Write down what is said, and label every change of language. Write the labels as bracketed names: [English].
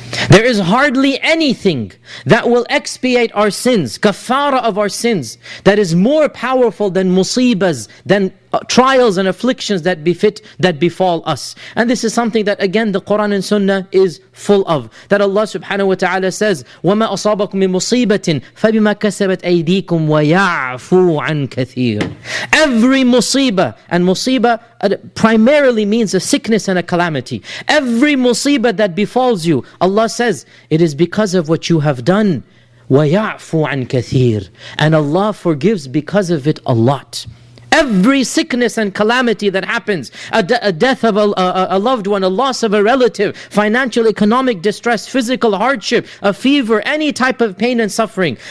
[English] There is hardly anything that will expiate our sins, kafara of our sins, that is more powerful than musibas, than trials and afflictions that befit, that befall us. And this is something that again the Quran and Sunnah is full of. [Arabic] That Allah subhanahu wa ta'ala says, وَمَا أَصَابَكُم مِّن مُصِيبَةٍ فَبِمَا كَسَبَتْ أَيْدِيكُمْ وَيَعْفُو عَن كَثِيرٍ. [English] Every musibah, and musibah primarily means a sickness and a calamity. Every musibah that befalls you, Allah says, it is because of what you have done. [Arabic] وَيَعْفُو عَن كَثِيرٍ. [English] And Allah forgives because of it a lot. Every sickness and calamity that happens, a death of a loved one, a loss of a relative, financial, economic distress, physical hardship, a fever, any type of pain and suffering.